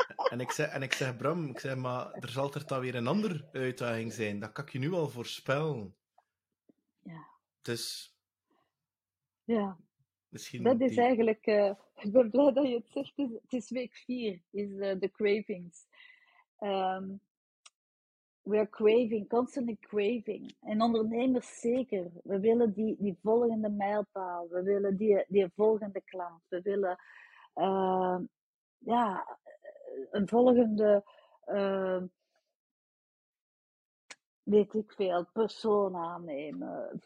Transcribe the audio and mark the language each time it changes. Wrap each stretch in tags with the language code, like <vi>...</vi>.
<nl>En ik zeg, Bram, ik zeg, maar er zal er dan weer een andere uitdaging zijn. Dat kan ik je nu al voorspellen. Ja. Dus... Ja. Misschien dat is die... eigenlijk... Ik ben blij dat je het zegt. Het is week 4, is de cravings.</nl> <en>We are craving, constantly craving.</en> <nl>En ondernemers zeker. We willen die volgende mijlpaal. We willen die volgende klant. We willen een volgende, weet ik veel, persoon aannemen.</nl>